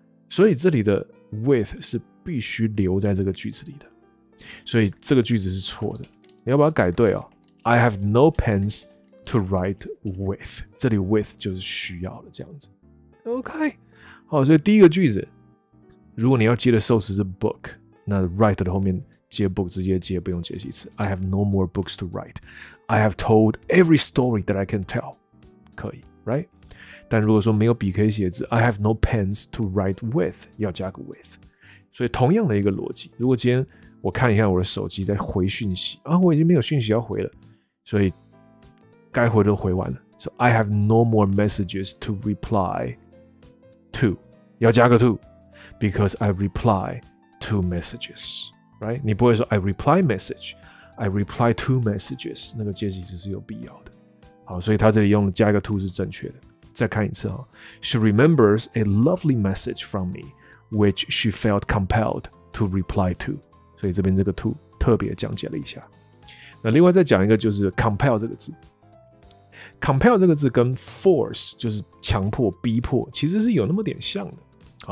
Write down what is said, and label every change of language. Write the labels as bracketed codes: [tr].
[zh] 所以这里的 with 是必须留在这个句子里的，所以这个句子是错的，你要把它改对哦。 [en] I have no pens。 To write with， [zh] 这里 with 就是需要的这样子 ，OK， 好，所以第一个句子，如果你要接的受词是 book， 那 write 的后面接 book 直接接，不用接系词。 [en] I have no more books to write. I have told every story that I can tell. [zh] 可以。 [en] right? [zh] 但如果说没有笔可以写字 [en] I have no pens to write with, [zh] 要加个 with。所以同样的一个逻辑，如果今天我看一下我的手机在回讯息啊，我已经没有讯息要回了，所以该回都回完了。 [en] So I have no more messages to reply to, [zh] 要加个 to, [en] because I reply to messages, right? [zh] 你不会说 [en] I reply message, I reply to messages, [zh] 那个介系词是有必要的。好，所以他这里用加一个 to 是正确的。再看一次哈 [en] ，She remembers a lovely message from me. Which she felt compelled to reply to. [zh] 所以这边这个 to 特别讲解了一下。那另外再讲一个就是 compel 这个字。 compel 这个字跟 force 就是强迫逼迫其实是有那么点像的。